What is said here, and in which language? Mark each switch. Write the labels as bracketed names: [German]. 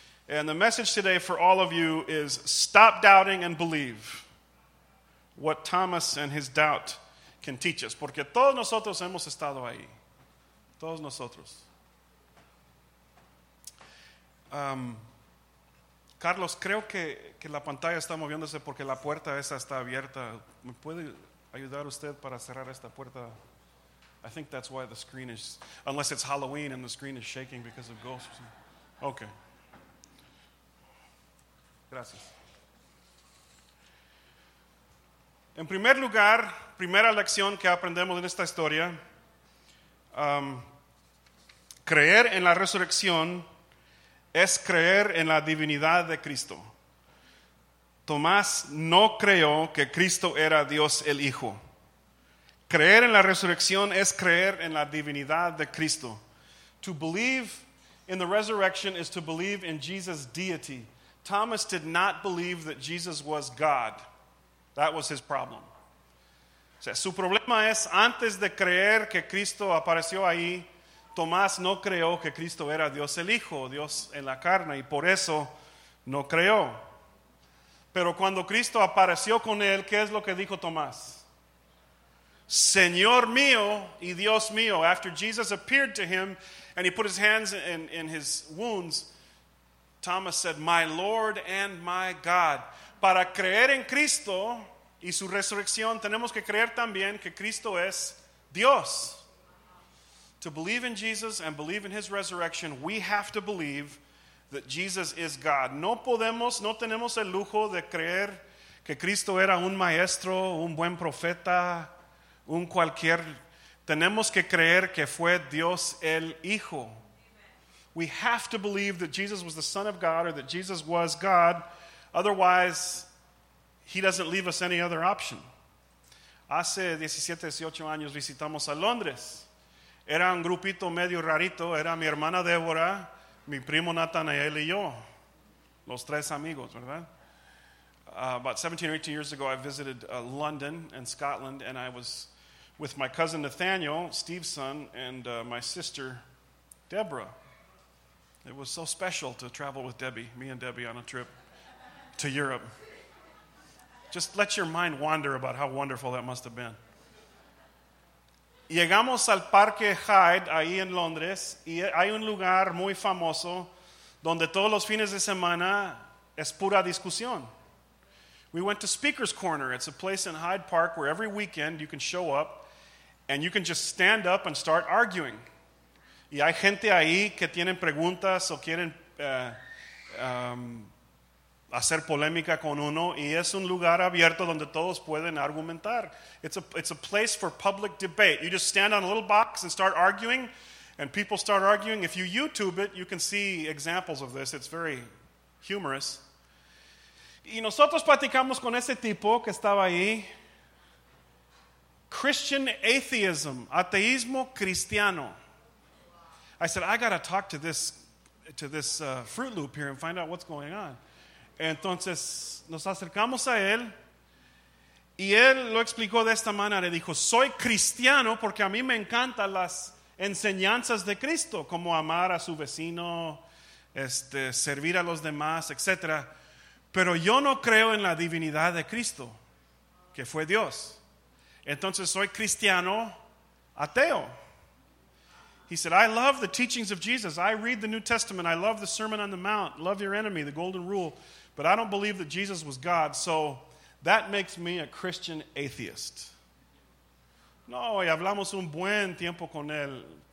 [English] And the message today for all of you is stop doubting and believe. What Thomas and his doubt can teach us. [Spanish] Porque todos nosotros hemos estado ahí. Todos nosotros. Carlos, creo que la pantalla está moviéndose porque la puerta esa está abierta. ¿Me puede ayudar usted para cerrar esta puerta? [English] I think that's why the screen is, unless it's Halloween and the screen is shaking because of ghosts. Okay. [Spanish] Gracias. En primer lugar, primera lección que aprendemos en esta historia, creer en la resurrección es creer en la divinidad de Cristo. Tomás no creyó que Cristo era Dios el Hijo. Creer en la resurrección es creer en la divinidad de Cristo. [English] To believe in the resurrection is to believe in Jesus' deity. Thomas did not believe that Jesus was God. That was his problem. [Spanish] O sea, su problema es, antes de creer que Cristo apareció ahí, Tomás no creyó que Cristo era Dios el Hijo, Dios en la carne, y por eso no creyó. Pero cuando Cristo apareció con él, ¿qué es lo que dijo Tomás? Señor mío y Dios mío. [English] After Jesus appeared to him and he put his hands in his wounds, Thomas said, my Lord and my God. [Spanish] Para creer en Cristo y su resurrección, tenemos que creer también que Cristo es Dios. [English] To believe in Jesus and believe in his resurrection, we have to believe that Jesus is God. [Spanish] No podemos, no tenemos el lujo de creer que Cristo era un maestro, un buen profeta, un cualquier. Tenemos que creer que fue Dios el Hijo. [English] We have to believe that Jesus was the Son of God or that Jesus was God. Otherwise, he doesn't leave us any other option. [Spanish] Hace 17, 18 años visitamos a Londres. Era un grupito medio rarito. Era mi hermana Débora, mi primo Nathanael y yo. Los tres amigos, ¿verdad? [English] About 17 or 18 years ago, I visited London and Scotland, and I was with my cousin Nathaniel, Steve's son, and my sister Deborah. It was so special to travel with Debbie, me and Debbie, on a trip to Europe. Just let your mind wander about how wonderful that must have been. [Spanish] Llegamos al Parque Hyde, ahí en Londres, y hay un lugar muy famoso donde todos los fines de semana es pura discusión. [English] We went to Speaker's Corner. It's a place in Hyde Park where every weekend you can show up and you can just stand up and start arguing. [Spanish] Y hay gente ahí que tienen preguntas o quieren hacer polémica con uno, y es un lugar abierto donde todos pueden argumentar. [English] It's a place for public debate. You just stand on a little box and start arguing, and people start arguing. If you YouTube it, you can see examples of this. It's very humorous. [Spanish] Y nosotros platicamos con ese tipo que estaba ahí. [English] Christian atheism, [Spanish] ateísmo cristiano. [English] I said, I got to talk to this Fruit Loop here and find out what's going on. [Spanish] Entonces, nos acercamos a él, y él lo explicó de esta manera. Dijo, soy cristiano porque a mí me encantan las enseñanzas de Cristo, como amar a su vecino, servir a los demás, etc. Pero yo no creo en la divinidad de Cristo, que fue Dios. Entonces, soy cristiano ateo. [English] He said, I love the teachings of Jesus. I read the New Testament. I love the Sermon on the Mount. Love your enemy, the golden rule. But I don't believe that Jesus was God, so that makes me a Christian atheist. [Spanish] No, y hablamos un buen tiempo con él.